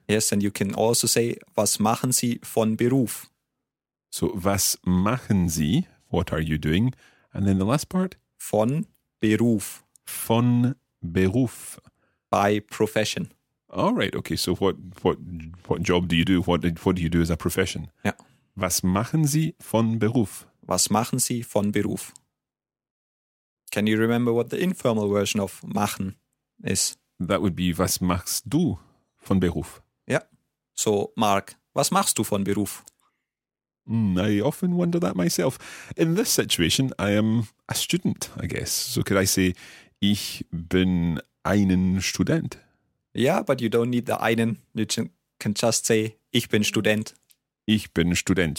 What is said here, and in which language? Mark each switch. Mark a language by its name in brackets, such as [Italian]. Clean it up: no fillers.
[English] Yes, and you can also say, [German] was machen Sie von Beruf? [English] So, [German] was machen Sie? [English] What are you doing? And then the last part? [German] Von Beruf. Von Beruf. [English] By profession. All right, okay. So what job do you do? What do you do as a profession? Yeah. [German] Was machen Sie von Beruf? Was machen Sie von Beruf? [English] Can you remember what the informal version of machen is? That would be, [German] was machst du von Beruf? [English] Yeah. [German] So, Mark, was machst du von Beruf? [English] I often wonder that myself. In this situation, I am a student, I guess. So could I say, [German] ich bin einen Student? [English] Yeah, but you don't need the einen. You can just say, [German] ich bin Student. Ich bin Student.